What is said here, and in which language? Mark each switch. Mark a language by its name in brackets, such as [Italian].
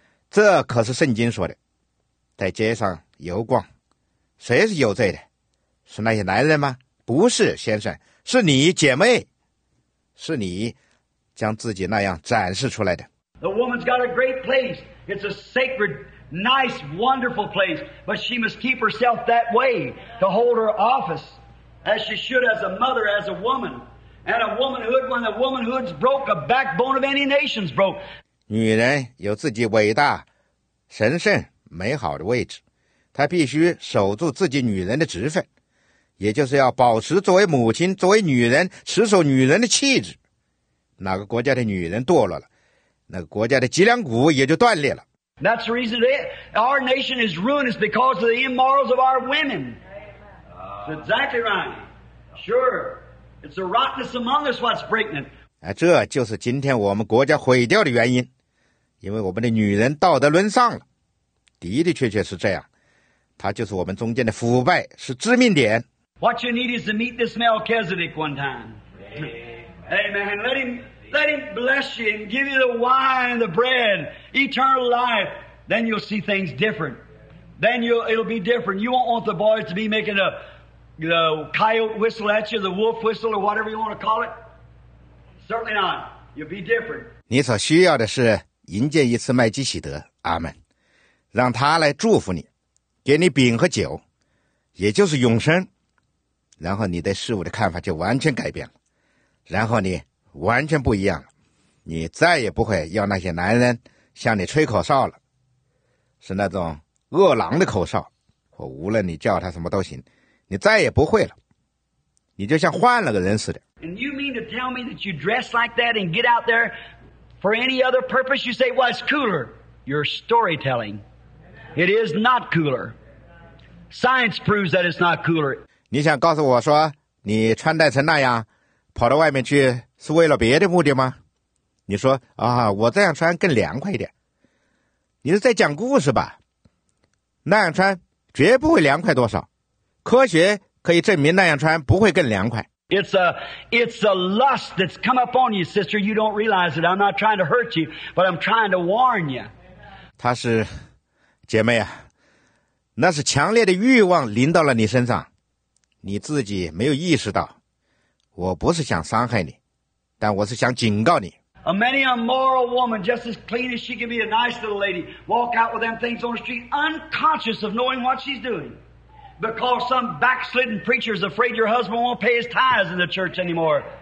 [Chinese] 这可是圣经说的，在街上游逛，谁是有罪的？是那些男人吗？不是，先生，是你，姐妹，是你将自己那样展示出来的。 [English] The woman's got a great place. It's a sacred, nice, wonderful place. But she must keep herself that way to hold her office, as she should as a mother, as a woman. And a womanhood, when the womanhood's broke, a backbone of any nation's broke. [Chinese] 女人有自己伟大、神圣、美好的位置，她必须守住自己女人的职分，也就是要保持作为母亲、作为女人持守女人的气质。哪个国家的女人堕落了，那个国家的脊梁骨也就断裂了。 [English] That's the reason that our nation is ruined is because of the immorals of our women. That's exactly right. Sure, it's the rottenness among us what's breaking it. [Chinese] 这就是今天我们国家毁掉的原因，因为我们的女人道德沦丧了。的的确确是这样，她就是我们中间的腐败，是致命点。 [English] What you need is to meet this Melchizedek one time. Amen. Let him bless you and give you the wine and the bread, eternal life. Then you'll see things different. Then it'll be different. You won't want the boys to be making the coyote whistle at you, the wolf whistle, or whatever you want to call it. Certainly not. You'll be different. [Chinese] 你所需要的是迎接一次麦基洗德，阿门，让他来祝福你，给你饼和酒，也就是永生。然后你对事物的看法就完全改变了，然后你完全不一样了，你再也不会要那些男人向你吹口哨了，是那种恶狼的口哨，或无论你叫他什么都行，你再也不会了，你就像换了个人似的。 [English] And you mean to tell me that you dress like that and get out there for any other purpose? You say, well, it's cooler. Your storytelling. It is not cooler. Science proves that it's not cooler. [Chinese] 你想告诉我说你穿戴成那样跑到外面去是为了别的目的吗？你说啊，我这样穿更凉快一点，你是在讲故事吧？那样穿绝不会凉快多少，科学可以证明那样穿不会更凉快。 [English] It's a lust that's come up on you, sister. You don't realize it. I'm not trying to hurt you, but I'm trying to warn you. [Chinese] 他是姐妹啊，那是强烈的欲望临到了你身上，你自己没有意识到，我不是想伤害你，但我是想警告你。 [English] A many immoral woman, just as clean as she can be, a nice little lady, walk out with them things on the street, unconscious of knowing what she's doing, because some backslidden preacher is afraid your husband won't pay his tithes in the church anymore.